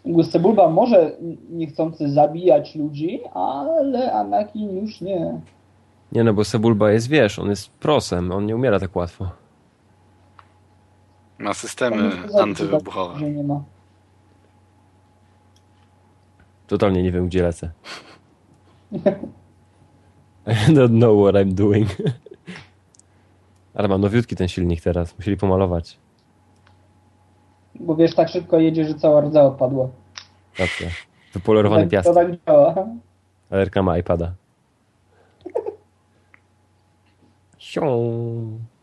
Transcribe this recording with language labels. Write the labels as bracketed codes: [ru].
[pl] Sebulba może niechcący zabijać ludzi, ale Anakin już nie. Nie, no bo Sebulba jest, wiesz, on jest prosem, on nie umiera tak łatwo. Ma systemy antywybuchowe. Zabić, nie ma. Totalnie nie wiem, gdzie lecę. [en] I don't know what I'm doing. [pl] Ale ma nowiutki ten silnik teraz, musieli pomalować. Bo wiesz, tak szybko jedzie, że cała rdza odpadła. Dobrze. Wypolerowany piasek. To tak działa. Alerka ma iPada. Sią.